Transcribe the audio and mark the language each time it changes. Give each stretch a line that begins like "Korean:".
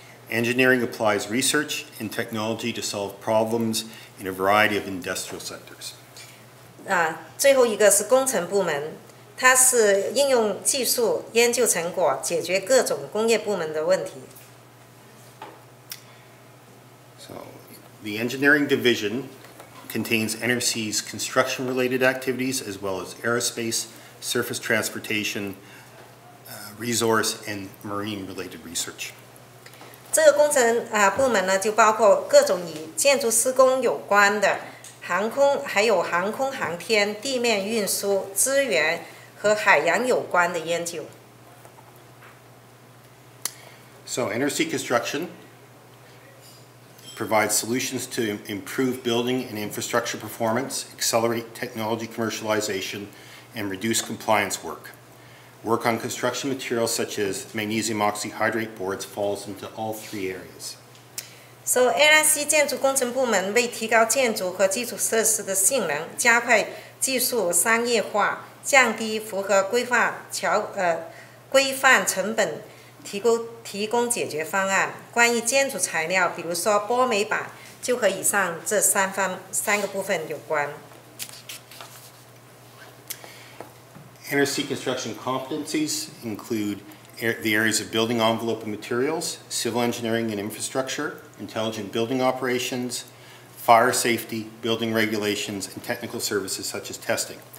English: Engineering applies research and technology to solve problems in a variety of industrial sectors.
Chinese: 最后一个是工程部门，它是应用技术研究成果解决各种工业部门的问题。
English: So, the engineering division contains NRC's construction-related activities as well as aerospace, surface transportation, resource, and marine-related research.
Chinese: 这个工程部门呢，就包括各种与建筑施工有关的航空，还有航空航天、地面运输、资源和海洋有关的研究。
English: So, NRC construction provides solutions to improve building and infrastructure performance, accelerate technology commercialization, and reduce compliance work. Work on construction materials such as magnesium oxyhydrate boards falls into all three areas.
Chinese: So, NRC 建筑工程部门为提高建筑和基础设施的性能，加快技术商业化，降低符合规范成本，提供解决方案。关于建筑材料，比如说玻璃板，就和以上这三个部分有关。
English: NRC construction competencies include the areas of building envelope and materials, civil engineering and infrastructure, intelligent building operations, fire safety, building regulations, and technical services such as testing.